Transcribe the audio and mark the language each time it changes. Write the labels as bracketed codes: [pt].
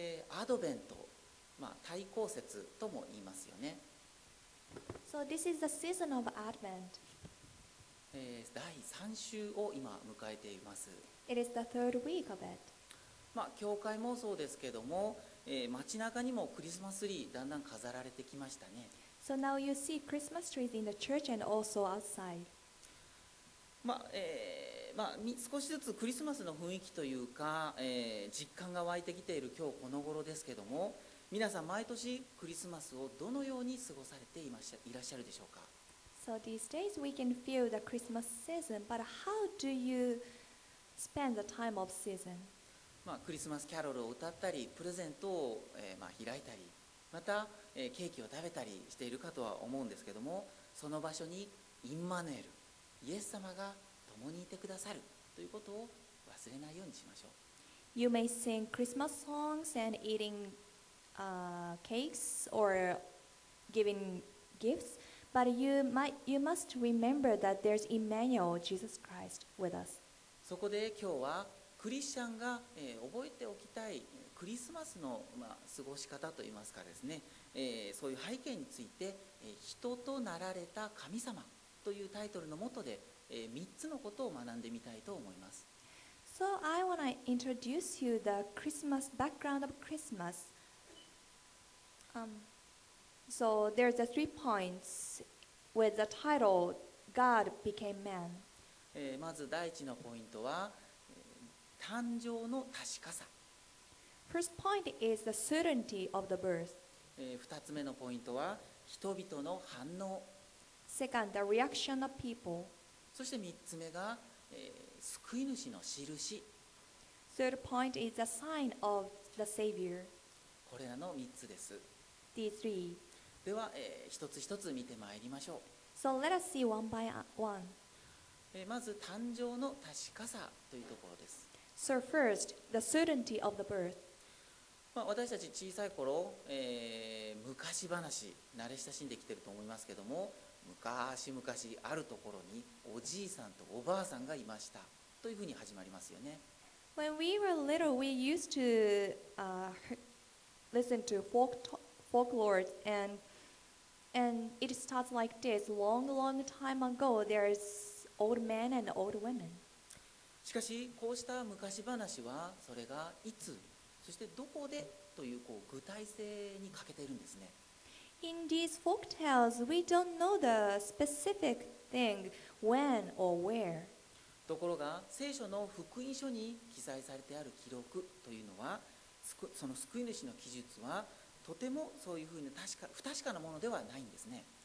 [ja] アドベント、まあ、対抗節とも言いますよね。 [en] So this is the season of Advent. [ja] 第3週を今迎えています。 [en] It is the third week of it. [ja] まあ、教会もそうですけども、街中にもクリスマスツリーだんだん飾られてきましたね。 [en] So now you see Christmas trees in the church and also outside. [ja] まあ、まあ、少しずつクリスマスの雰囲気というか、実感が湧いてきている今日この頃ですけども、皆さん毎年クリスマスをどのように過ごされていらっしゃるでしょうか。 [en] So these days we can feel the Christmas season, but how do you spend the time of season? [ja] まあ、クリスマスキャロルを歌ったり、プレゼントを、まあ、開いたり、また、ケーキを食べたりしているかとは思うんですけども、その場所にインマヌエル、イエス様が共にいてくださるということを忘れないようにしましょう。 [en] You may sing Christmas songs and eating cakes or giving gifts, but you must remember that there's Emmanuel, Jesus Christ, with us. [ja] そこで今日はクリスチャンが、覚えておきたいクリスマスの、まあ、過ごし方といいますかですね、そういう背景について、人となられた神様というタイトルの下で3つのことを学んでみたいと思います。 [en] So I want to introduce you the Christmas background of Christmas. So there's the three points with the title God became man. [ja] まず第一のポイントは誕生の確かさ。 [en] First point is the certainty of the birth. [ja] 二つ目のポイントは人々の反応。 [en] Second, the reaction of people. [ja] そして3つ目が、救い主の印。 [en] Third point is the sign of the Savior. [ja] これらの3つです。 [en] These three. [ja] では、一つ一つ見てまいりましょう。 [en] So let us see one by one. [ja] まず誕生の確かさというところです。 [en] So first, the certainty of the birth. [ja] まあ、私たち小さい頃、昔話、慣れ親しんできていると思いますけども、昔々あるところにおじいさんとおばあさんがいましたというふうに始まりますよね。 [en] When we were little, we used to listen to folklore, and it starts like this: long, long time ago, there's old men and old women. [ja] しかしこうした昔話はそれがいつそしてどこでという、こう具体性に欠けているんですね。 [en] In these folk tales, we don't know the specific thing when or where. [ja] ところが聖書の福音書に記載されてある記録というのは、その救い主の記述はとてもそういうふうに不確かなものではないんですね。